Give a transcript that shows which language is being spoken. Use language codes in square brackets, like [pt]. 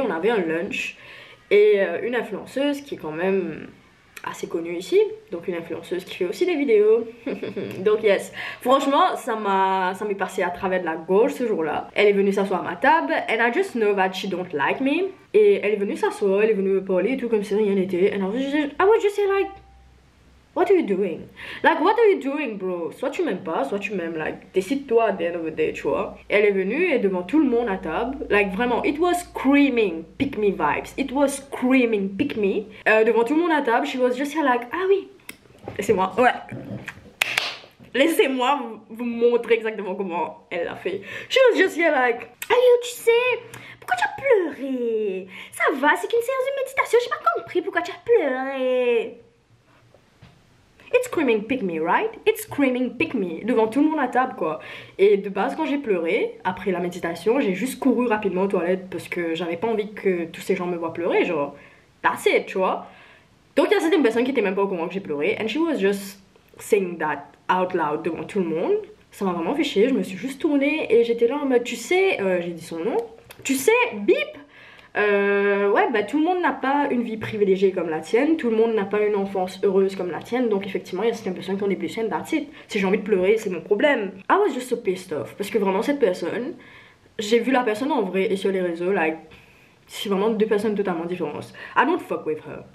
[fr] On avait un lunch et une influenceuse qui est quand même assez connue ici. Donc, une influenceuse qui fait aussi des vidéos. Donc, yes. Franchement, ça m'est passé à travers de la gorge ce jour-là. Elle est venue s'asseoir à ma table [en] and I just know that she don't like me. [fr] Et elle est venue s'asseoir, elle est venue me parler et tout comme si rien n'était. [en] And I was just saying, like, what are you doing? Like, what are you doing, bro? [fr] Soit tu m'aimes pas, soit tu m'aimes. [en] Like, [fr] décide-toi [en] at the end of the day, [fr] tu vois. Elle est venue et devant tout le monde à table. [en] Like, vraiment, it was screaming pick me vibes. It was screaming pick me. [fr] Devant tout le monde à table, [en] she was just here like, [fr] ah oui, laissez-moi. Ouais. Laissez-moi vous montrer exactement comment elle l'a fait. [en] She was just here like, [fr] ah yo, tu sais, pourquoi tu as pleuré? Ça va, c'est qu'une séance de méditation. J'ai pas compris pourquoi tu as pleuré. [en] It's screaming pick me, right? It's screaming pick me [fr] devant tout le monde à table, quoi. Et de base, quand j'ai pleuré après la méditation, j'ai juste couru rapidement aux toilettes parce que j'avais pas envie que tous ces gens me voient pleurer, genre. [en] That's it, [fr] tu vois. Donc il y a certaines personnes qui étaient même pas au courant que j'ai pleuré. [en] And she was just saying that out loud [fr] devant tout le monde. Ça m'a vraiment fiché. Je me suis juste tournée et j'étais là en mode, tu sais, j'ai dit son nom. Tu sais, bip. Ouais, bah tout le monde n'a pas une vie privilégiée comme la tienne, tout le monde n'a pas une enfance heureuse comme la tienne, donc effectivement il y a certaines personnes qui ont des blessures, [en] that's it. [fr] Si j'ai envie de pleurer, c'est mon problème. [en] I was just so pissed off, [fr] parce que vraiment cette personne, j'ai vu la personne en vrai et sur les réseaux, like, c'est vraiment deux personnes totalement différentes. [en] I don't fuck with her.